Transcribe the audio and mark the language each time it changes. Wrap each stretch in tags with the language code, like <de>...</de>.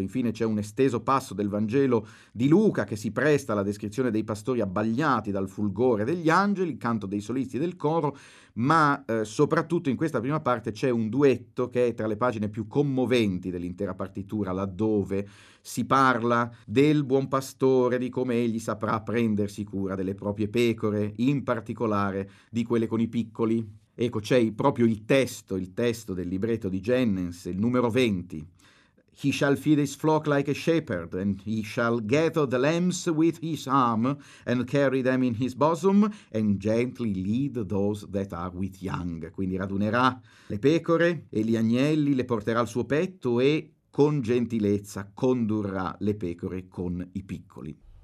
<it>Infine c'è un esteso passo del Vangelo di Luca che si presta alla descrizione dei pastori abbagliati dal fulgore degli angeli, il canto dei solisti e del coro, ma soprattutto in questa prima parte c'è un duetto che è tra le pagine più commoventi dell'intera partitura, laddove si parla del buon pastore, di come egli saprà prendersi cura delle proprie pecore, in particolare di quelle con i piccoli. Ecco, c'è proprio il testo del libretto di Jennens, il numero 20.</it> <en>He shall feed his flock like a shepherd, and he shall gather the lambs with his arm, and carry them in his bosom, and gently lead those that are with young.</en> <it>Quindi radunerà le pecore e gli agnelli, le porterà al suo petto e con gentilezza condurrà le pecore con i piccoli.</it>